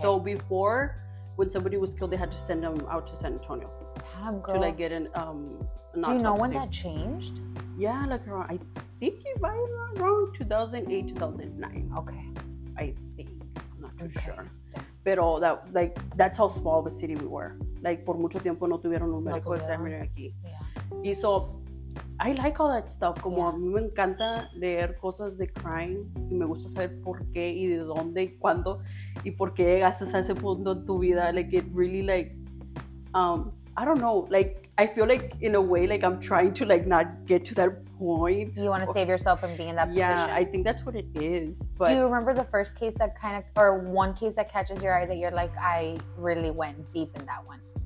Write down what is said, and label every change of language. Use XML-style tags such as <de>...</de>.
<en>So before, when somebody was killed, they had to send them out to San Antonio. Damn. damn, girl. To like get an autopsy. Do you know when that changed? Yeah, like around, I think if I'm not wrong, 2008, 2009. Okay. I think. I'm not too sure. But all that, like, that's how small of a city we were. Like,</en> <es>por mucho tiempo no tuvieron un medical examiner aquí. Yeah.</es> <en>Y so, I like all that stuff.</en> <es>Como a mí me encanta leer cosas de crime. Y me gusta saber por qué y de dónde y cuándo. Y por qué llegaste a ese punto en tu vida.</es> <en>Like, it really, like, I don't know. Like, I feel like, in a way, like, I'm trying to, like, not get to that point. You want to save yourself from being in that position. Yeah, I think that's what it is. But do you remember the first case that kind of, or one case that catches your eye that you're like, I really went deep in that one?</en>